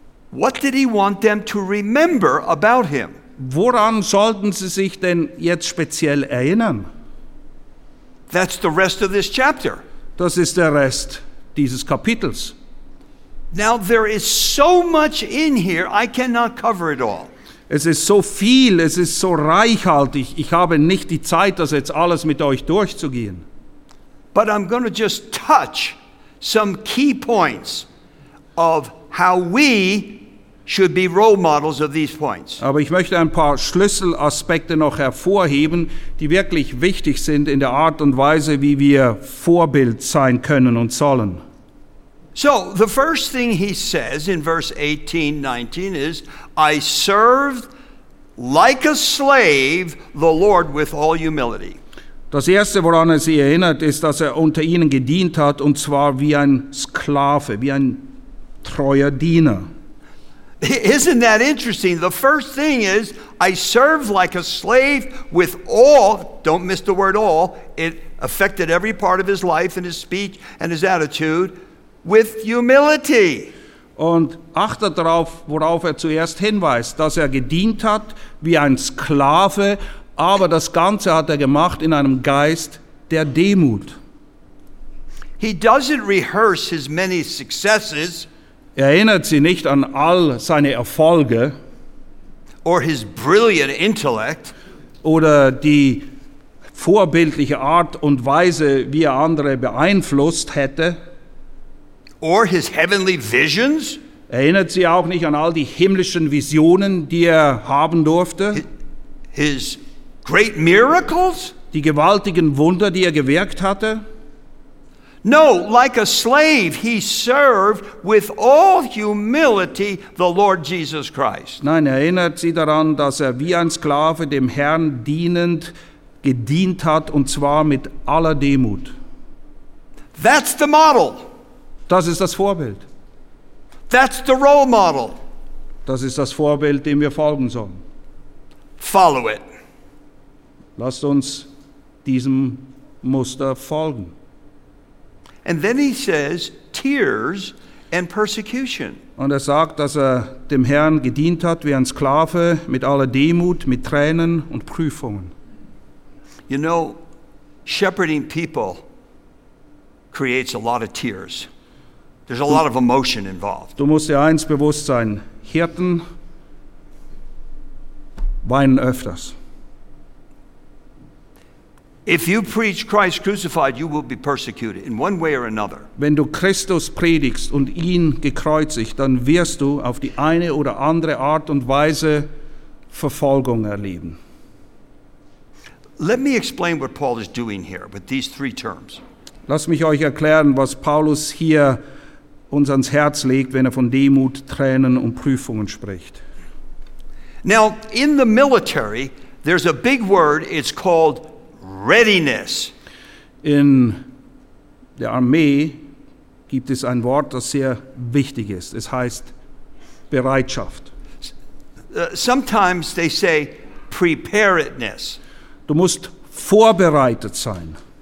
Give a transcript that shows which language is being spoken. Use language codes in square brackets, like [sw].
[en] What did he want them to remember about him? [de] Woran sollten sie sich denn jetzt speziell erinnern? [en] That's the rest of this chapter. [de] Das ist der Rest dieses Kapitels. [en] Now there is so much in here, I cannot cover it all. [de] Es ist so viel, es ist so reichhaltig. Ich habe nicht die Zeit, das jetzt alles mit euch durchzugehen. [en] But I'm going to just touch some key points of how we should be role models of these points. [de] Aber ich möchte ein paar Schlüsselaspekte noch hervorheben, die wirklich wichtig sind in der Art und Weise, wie wir Vorbild sein können und sollen. [en] So, the first thing he says in verse 18, 19 is, I serve like a slave the Lord with all humility. [de] Das erste, woran er sich erinnert, ist, dass er unter ihnen gedient hat, und zwar wie ein Sklave, wie ein treuer Diener. [en] Isn't that interesting? The first thing is, I serve like a slave with all, don't miss the word all, it affected every part of his life and his speech and his attitude, with humility. [de] Und achtet darauf, worauf er zuerst hinweist, dass er gedient hat wie ein Sklave, aber das Ganze hat er gemacht in einem Geist der Demut. [en] He doesn't rehearse his many successes. [de] Er erinnert sie nicht an all seine Erfolge [en] or his brilliant intellect. [de] Oder die vorbildliche Art und Weise, wie er andere beeinflusst hätte. [en] Or his heavenly visions. [de] Erinnert sie auch nicht an all die himmlischen Visionen, die er haben durfte? [en] His great miracles? [de] Die gewaltigen Wunder, die er gewirkt hatte? [en] No, like a slave, he served with all humility the Lord Jesus Christ. [de] Nein, erinnert sie daran, dass er wie ein Sklave dem Herrn dienend gedient hat, und zwar mit aller Demut. [en] That's the model. [de] Das ist das Vorbild. [en] That's the role model. [de] Das ist das Vorbild, dem wir folgen sollen. [en] Follow it. [de] Lasst uns diesem Muster folgen. [en] And then he says, tears and persecution. [de] Und er sagt, dass er dem Herrn gedient hat wie ein Sklave, mit aller Demut, mit Tränen und Prüfungen. [en] You know, shepherding people creates a lot of tears. There's a lot of emotion involved. [de] Du musst dir eins bewusst sein, Hirten weinen öfters. [en] If you preach Christ crucified, you will be persecuted in one way or another. [de] Wenn du Christus predigst und ihn gekreuzigt, dann wirst du auf die eine oder andere Art und Weise Verfolgung erleben. [en] Let me explain what Paul is doing here with these three terms. [de] Lass mich euch erklären, was Paulus hier uns ans Herz legt, wenn er von Demut, Tränen und Prüfungen spricht. [en] Now, in the military, there's a big word, it's called readiness. [de] In der Armee gibt es ein Wort, das sehr wichtig ist. Es heißt Bereitschaft. [en] Sometimes they say preparedness. [de] Du musst vorbereitet sein.